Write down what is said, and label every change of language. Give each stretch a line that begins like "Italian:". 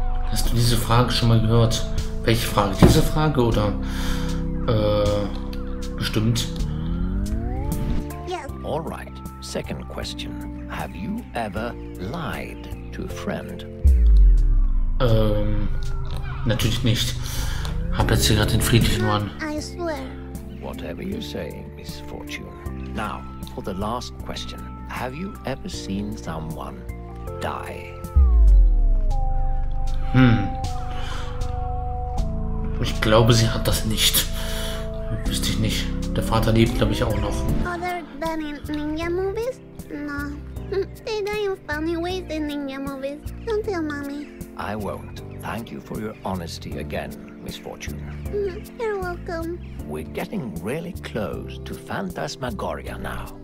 German: Hast du diese Frage schon mal gehört? Welche Frage? Diese Frage oder? Bestimmt.
English: Yes. All right. Second question. Have you ever lied to a friend?
German: Natürlich nicht. Hab jetzt hier gerade den friedlichen Mann.
English: I swear. Whatever you say, Miss Fortune. Now, for the last question. Have you ever seen someone die?
German: Ich glaube, sie hat das nicht. Wüsste ich nicht. Der Vater lebt, glaube ich, auch noch.
English: Other than in Ninja movies? No. They die in funny ways in Ninja movies. Don't tell Mommy. I won't. Thank you for your honesty again, Miss Fortune. You're welcome. We're getting really close to Phantasmagoria now.